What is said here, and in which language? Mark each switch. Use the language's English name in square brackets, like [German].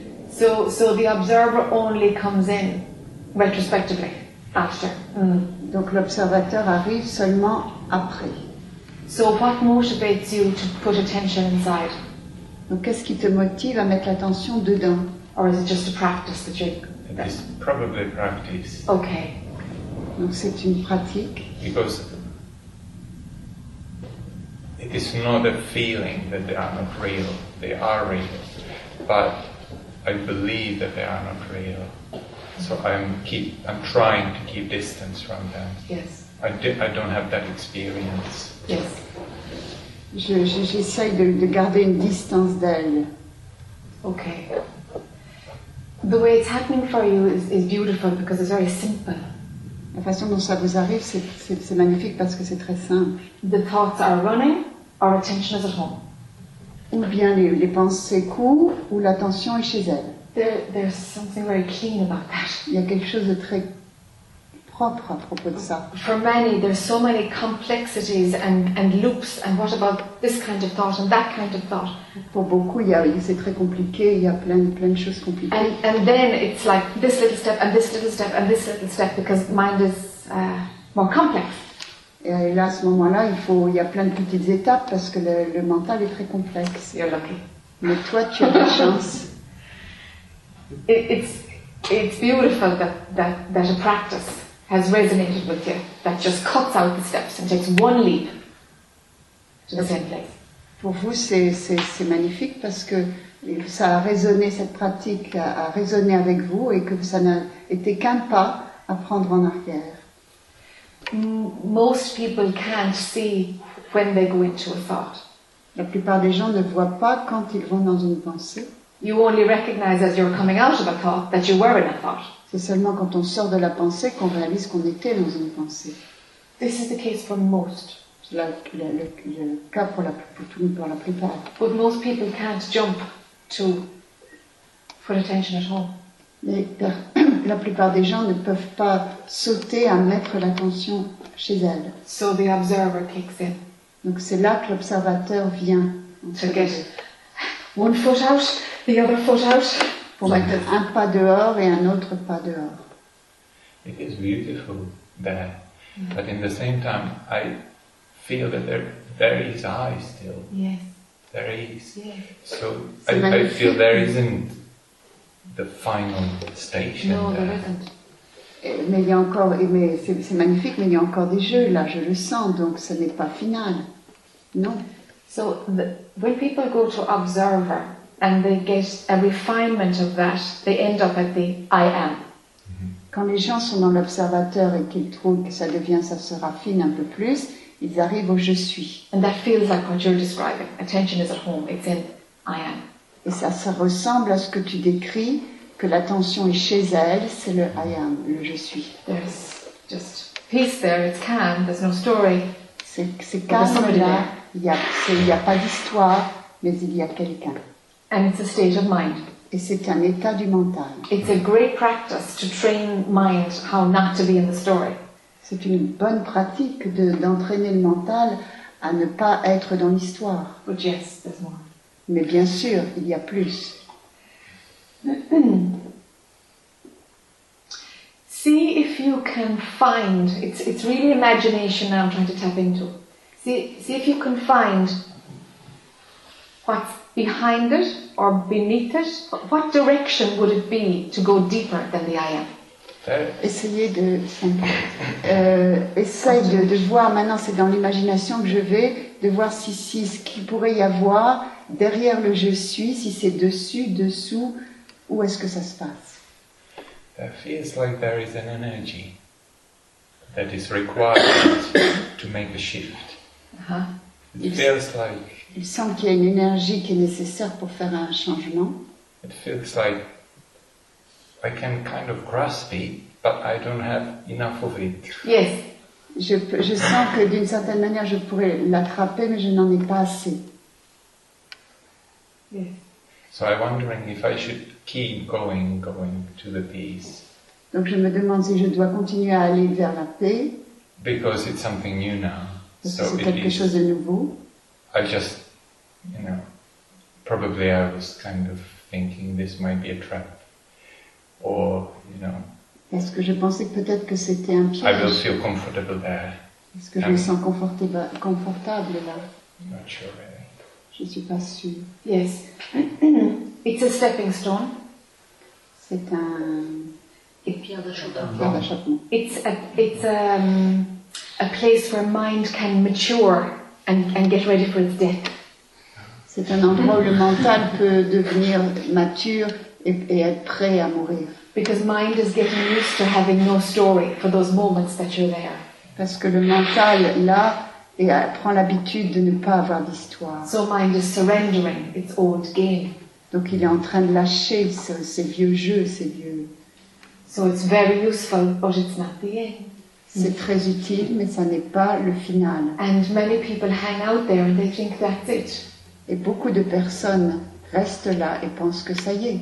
[English] So the observer only comes in retrospectively after. Mm. [French] Donc l'observateur arrive seulement après. [English] So what motivates you to put attention inside? [French] Donc qu'est-ce qui te motive à mettre l'attention dedans? [English] Or is it just a practice that you? It is probably practice. Okay. [French] Donc c'est une pratique. [English] Because it is not a feeling that they are not real. They are real. But I believe that they are not real. So I'm trying to keep distance from them. Yes. I don't have that experience. Yes. [French] J'essaie de garder une distance d'elle. [English] Okay. The way it's happening for you is beautiful because it's very simple. [French] La façon dont ça vous arrive, c'est magnifique parce que c'est très simple. [English] The thoughts are running. Our attention is at home. [French] Ou bien les pensées courent, ou l'attention est chez elle. [English] There's something very clean about that. [French] Il y a quelque chose de très propre à propos de ça. [English] For many, there's so many complexities and loops, and what about this kind of thought and that kind of thought? [French] Pour beaucoup, c'est très compliqué, il y a plein de choses compliquées. [English] And then it's like this little step, and this little step, and this little step, because mind is more complex. [French] Et là, à ce moment-là, il y a plein de petites étapes parce que le mental est très complexe. [English] You're lucky. [French] Mais toi, tu as de la chance. [English] It's beautiful that a practice has resonated with you, that just cuts out the steps and takes one leap to the same place. [French] Pour vous, c'est magnifique parce que ça a résonné, cette pratique a résonné avec vous et que ça n'a été qu'un pas à prendre en arrière. [English] Most people can't see when they go into a thought. [French] La plupart des gens ne voient pas quand ils vont dans une pensée. [English] You only recognize as you're coming out of a thought that you were in a thought. [French] C'est seulement quand on sort de la pensée qu'on réalise qu'on était dans une pensée. [English] This is the case for most. [French] Le cas pour la plupart. [English] But most people can't jump to put attention at home. [French] La plupart des gens ne peuvent pas sauter à mettre l'attention chez elles. [English] So the observer kicks in. [French] Donc c'est là que l'observateur vient. [English] To get one foot out, the other foot out. [French] Pour mettre un pas dehors et un autre pas dehors. [English] It is beautiful there, but in the same time, I feel that there is I still. Yes. There is. Yes. So I feel there isn't. The final station. No, there isn't. [French] Mais il y a encore, mais c'est magnifique, mais il y a encore des jeux là, je le sens, donc ce n'est pas final. Non. [English] So, when people go to observer and they get a refinement of that, they end up at the I am. Mm-hmm. [French] Quand les gens sont dans l'observateur et qu'ils trouvent que ça se raffine un peu plus, ils arrivent au je suis. [English] And that feels like what you're describing. Attention is at home, it's in I am. [French] Et ça ressemble à ce que tu décris, que l'attention est chez elle, c'est le I am, le je suis. [English] There's just peace there, it's calm, there's no story. [French] C'est calme là, il n'y a pas d'histoire, mais il y a quelqu'un. [English] And it's a state of mind. [French] Et c'est un état du mental. [English] It's a great practice to train mind how not to be in the story. [French] C'est une bonne pratique d'entraîner le mental à ne pas être dans l'histoire. [English] But yes, there's more. [French] Mais bien sûr, il y a plus. [English] See if you can find. It's really imagination now I'm trying to tap into. See if you can find what's behind it or beneath it. What direction would it be to go deeper than the I am? [French] Essayez de voir, maintenant c'est dans l'imagination que je vais, de voir si ce qu'il pourrait y avoir derrière le je suis, si c'est dessus, dessous, où est-ce que ça se passe? [English] That feels like there is an energy that is required to make a shift. Uh-huh. It feels like. [French] Il semble qu'il y a une énergie qui est nécessaire pour faire un changement. [English] It feels like I can kind of grasp it, but I don't have enough of it. Yes. [French] Je sens que d'une certaine manière je pourrais l'attraper, mais je n'en ai pas assez. [English] Yes. So I'm wondering if I should keep going to the peace. [French] Donc je me demande si je dois continuer à aller vers la paix. [English] Because it's something new now. [French] Quelque chose de nouveau. [English] I just, you know, probably I was kind of thinking this might be a trap. Or, you know. [French] Est-ce que je pensais peut-être que c'était un piège? [English] I will feel comfortable there. [French] Est-ce que je me sens confortable là? [English] Not sure, really. [French] Je ne suis pas sûre. [English] Yes. It's a stepping stone. [French] C'est un... pierre d'achoppement. [English] It's a place where mind can mature and get ready for its death. [French] C'est un endroit où le mental peut devenir mature et être prêt à mourir. [English] Because mind is getting used to having no story for those moments that you're there. [French] Parce que le mental là et prend l'habitude de ne pas avoir d'histoire. [English] So mind is surrendering its old game. [French] Donc il est en train de lâcher ses vieux jeux, ses vieux. [English] So it's very useful, but it's not the end. [French] C'est très utile, mais ça n'est pas le final. [English] And many people hang out there and they think that's it. [French] Et beaucoup de personnes reste là et pense que ça y est,